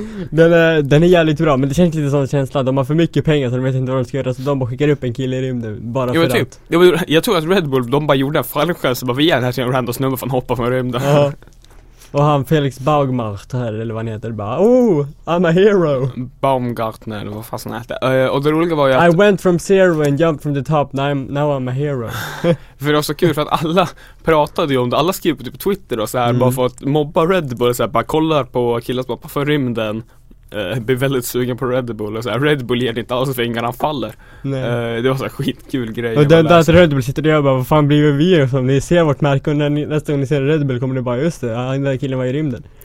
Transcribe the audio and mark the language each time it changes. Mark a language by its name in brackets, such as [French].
[Swedish] Den är jävligt bra, men det känns lite sån känsla. De har för mycket pengar så de vet inte vad de ska göra. Så de bara skickar upp en kille i rymden bara jo, för typ, att. Jag tror att Red Bull, de bara gjorde en fallskärm. Så bara vi ger den här till en randos nummer för att hoppa från rymden. Ja. Och han Felix Baumgartner, eller vad han heter, bara, [English] oh, I'm a hero. [Swedish] Baumgartner, vad fan han heter. Och det roliga var ju att [English] I went from zero and jumped from the top, now I'm a hero. [Swedish] För det var så kul, för att alla pratade ju om det, alla skrev på typ Twitter och så här, bara för att mobba Red Bull, så här, bara kollar på killar som hoppar för rymden, blir väldigt sugen på Red Bull och så här, Red Bull ger inte alls för ingen, han faller. Det var så här skitkul grej. Och det där Red Bull sitter där och bara, vad fan blir vi och så, ni ser vårt märke och nästa gång ni ser Red Bull kommer ni bara, just det, den där killen var i rymden.